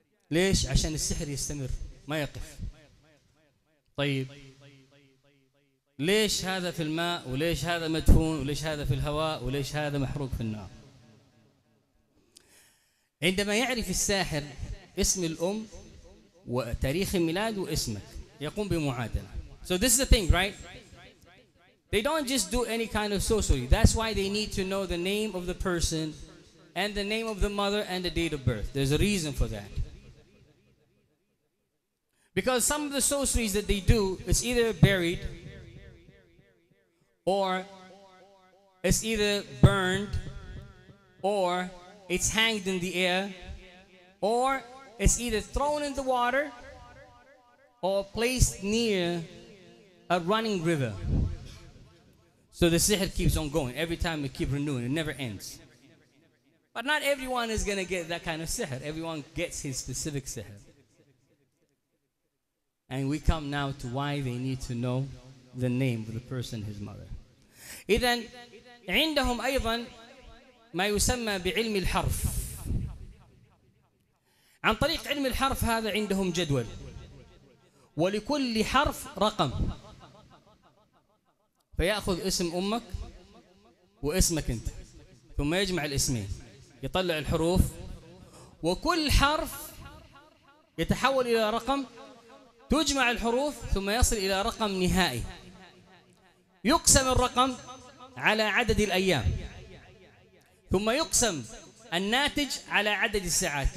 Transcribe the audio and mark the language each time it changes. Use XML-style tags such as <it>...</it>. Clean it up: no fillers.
<ar>ليش؟ عشان السحر يستمر ما يقف. طيب ليش هذا في الماء وليش هذا مدفون وليش هذا في الهواء وليش هذا محروق في النار؟ عندما يعرف الساحر اسم الأم وتاريخ الميلاد واسمك يقوم بمعادلة.</ar> <en>So this is the thing, right? They don't just do any kind of sorcery. That's why they need to know the name of the person and the name of the mother and the date of birth. There's a reason for that. Because some of the sorceries that they do, it's either buried or it's either burned or it's hanged in the air or it's either thrown in the water or placed near a running river. So the sihr keeps on going. Every time it keeps renewing, it never ends. But not everyone is going to get that kind of sihr. Everyone gets his specific sihr. And we come now to why they need to know the name of the person, his mother.</en> <ar>إذن عندهم أيضا ما يسمى بعلم الحرف. عن طريق علم الحرف هذا عندهم جدول، ولكل حرف رقم، فيأخذ اسم أمك واسمك أنت ثم يجمع الاسمين يطلع الحروف، وكل حرف يتحول إلى رقم، تجمع الحروف ثم يصل إلى رقم نهائي، يقسم الرقم على عدد الأيام، ثم يقسم الناتج على عدد الساعات.</ar>